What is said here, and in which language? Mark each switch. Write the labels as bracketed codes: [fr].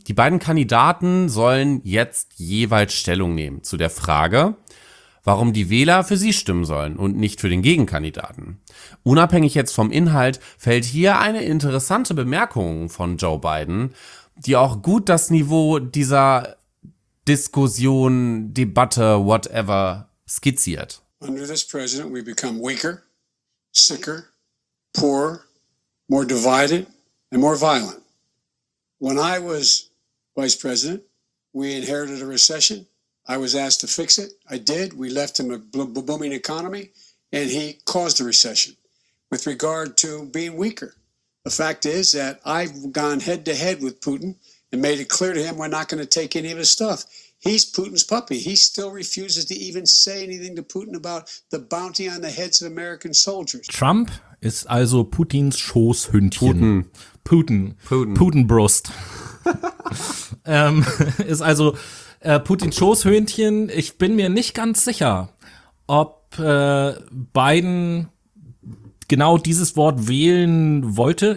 [de] Die beiden Kandidaten sollen jetzt jeweils Stellung nehmen zu der Frage, warum die Wähler für sie stimmen sollen und nicht für den Gegenkandidaten. Unabhängig jetzt vom Inhalt fällt hier eine interessante Bemerkung von Joe Biden, die auch gut das Niveau dieser Diskussion, Debatte, whatever, skizziert. [en] Under this president we become weaker, sicker, poorer, more divided and more violent. When I was vice president, we inherited a recession. I was asked to fix it. I did. We left him a booming economy and he caused the recession. With regard to being weaker, the fact is that I've gone head to head with Putin and made it clear to him we're not going to take any of his stuff. He's Putin's puppy. He still refuses to even say anything to Putin about the bounty on the heads of American soldiers. [de] Trump ist also Putins Schoßhündchen. Putin. Putin-Brust. ist also Putins Schoßhündchen. Ich bin mir nicht ganz sicher, ob Biden genau dieses Wort wählen wollte.